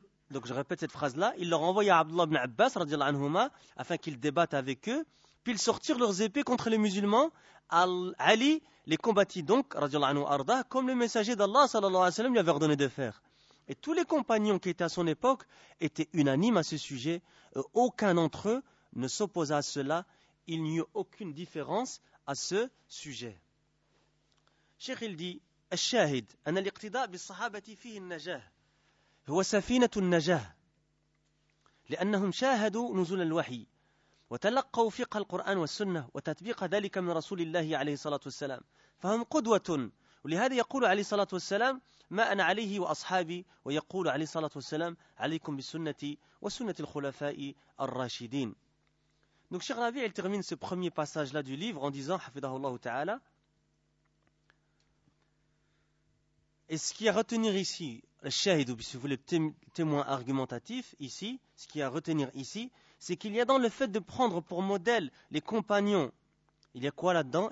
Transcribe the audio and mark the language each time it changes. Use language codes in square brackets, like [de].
[fr] Donc je répète cette phrase là, il leur envoya Abdullah ibn Abbas radhiyallahu anhuma afin qu'ils débattent avec eux, puis ils sortirent leurs épées contre les musulmans, Ali les combattit donc radhiyallahu anhu arda comme le messager d'Allah sallallahu alayhi wa sallam lui avait ordonné de faire. Et tous les compagnons qui étaient à son époque étaient unanimes à ce sujet. Aucun d'entre eux ne s'opposa à cela. Il n'y eut aucune différence à ce sujet. Cheikh, il dit, [ar] الشاهد أن الاقتداء بالصحابة فيه النجاة، هو سفينة النجاة، لأنهم شاهدوا نزول الوحي وتلقوا فقه القرآن والسنة وتطبيق ذلك من رسول الله عليه الصلاة والسلام، فهم قدوة. ولهذا يقول عليه الصلاة والسلام: ما أنا عليه وأصحابي. ويقول عليه الصلاة والسلام: عليكم بسنتي وسنة الخلفاء الراشدين. [fr] Donc Cheikh Rabi, il termine ce premier passage-là du livre en disant, [ar] حفظه الله تعالى. [fr] Et ce qui est à retenir ici, le shahid, ou si vous voulez, le témoin argumentatif ici, ce qui est à retenir ici, c'est qu'il y a dans le fait de prendre pour modèle les compagnons, il y a quoi là-dedans?